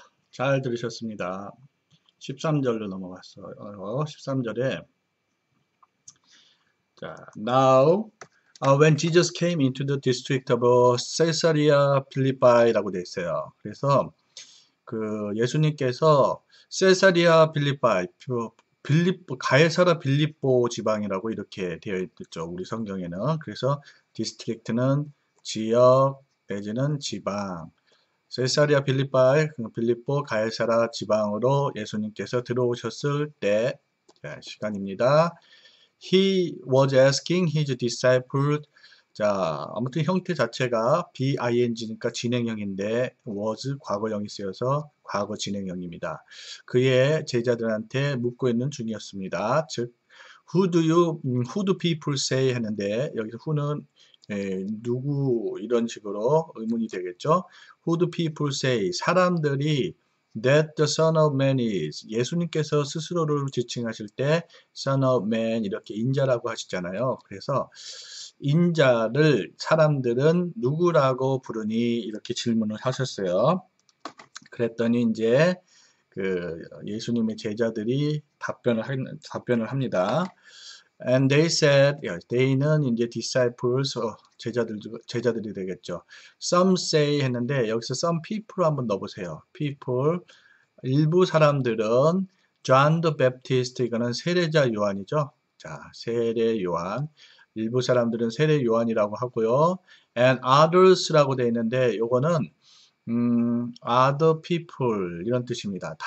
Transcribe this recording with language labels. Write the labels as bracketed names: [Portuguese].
[Korean] 잘 들으셨습니다. 13절로 넘어갔어요. 13절에 자, [English] Now, when Jesus came into the district of Caesarea Philippi [Korean] 라고 돼 있어요. 그래서 그 예수님께서 세사리아 빌립보, 가이사라 빌립보 지방이라고 이렇게 되어 있죠. 우리 성경에는. 그래서 디스트릭트는 지역, 내지는 지방. 세사리아 빌립보, 빌립보 가이사라 지방으로 예수님께서 들어오셨을 때 시간입니다. [English] He was asking his disciples. [Korean] 자, 아무튼 형태 자체가 BING니까 진행형인데 was 과거형이 쓰여서 과거 진행형입니다. 그의 제자들한테 묻고 있는 중이었습니다. 즉, [English] who do people say [Korean] 했는데 여기서 who는 누구 이런 식으로 의문이 되겠죠? [English] Who do people say? [Korean] 사람들이 [English] that the son of man is [Korean] 예수님께서 스스로를 지칭하실 때 son of man 이렇게 인자라고 하시잖아요. 그래서 인자를 사람들은 누구라고 부르니 이렇게 질문을 하셨어요. 그랬더니 이제 그 예수님의 제자들이 답변을 합니다. [English] And they said, [Korean] they는 이제 disciples, 제자들이 되겠죠. [English] Some say [Korean] 했는데 여기서 [English] some people [Korean] 한번 넣어보세요. People, 일부 사람들은 John the Baptist, 이거는 세례자 요한이죠. 자, 세례 요한. 일부 사람들은 세례 요한이라고 하고요. [English] And others [Korean] 라고 되어 있는데 요거는 [English] other people [Korean] 이런 뜻입니다.